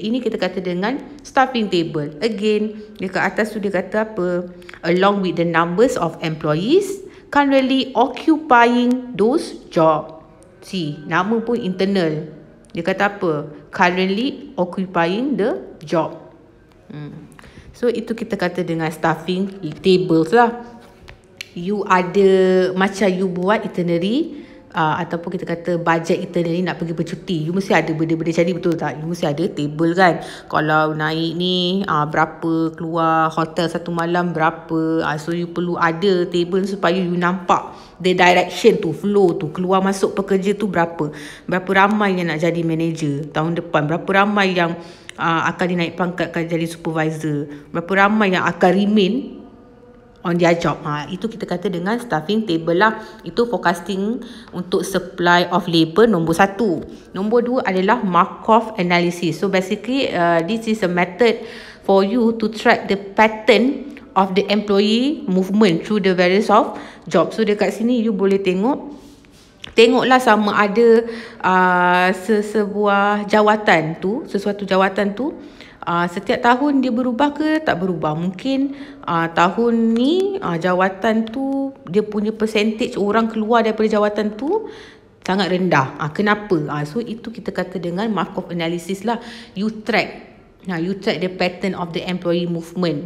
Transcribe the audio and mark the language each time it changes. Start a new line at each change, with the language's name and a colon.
Malay: Ini kita kata dengan staffing table. Again, dekat atas tu dia kata apa?
English: Along with the numbers of employees currently occupying those job.
Malay: See, nama pun internal. Dia kata apa?
English: Currently occupying the job.
Malay: So itu kita kata dengan staffing tables lah. You ada macam you buat itinerary ataupun kita kata budget itinerary nak pergi bercuti. You mesti ada benda-benda jadi, betul tak? You mesti ada table kan. Kalau naik ni berapa, keluar hotel satu malam berapa. So you perlu ada table supaya you nampak the direction tu, flow tu, keluar masuk pekerja tu berapa. Berapa ramai yang nak jadi manager tahun depan. Berapa ramai yang akan dinaik pangkat akan jadi supervisor. Berapa ramai yang akan
English: remain on their job.
Malay: Itu kita kata dengan staffing table lah. Itu forecasting untuk supply of labor nombor satu. Nombor dua adalah Markov analysis.
English: So basically this is a method for you to track the pattern of the employee movement through the various of jobs.
Malay: So dekat sini you boleh tengok. Tengoklah sama ada sesebuah jawatan tu, sesuatu jawatan tu setiap tahun dia berubah ke tak berubah. Mungkin tahun ni jawatan tu dia punya percentage orang keluar daripada jawatan tu sangat rendah. Kenapa? So itu kita kata dengan Markov analysis lah.
English: You track. Now you track the pattern of the employee movement.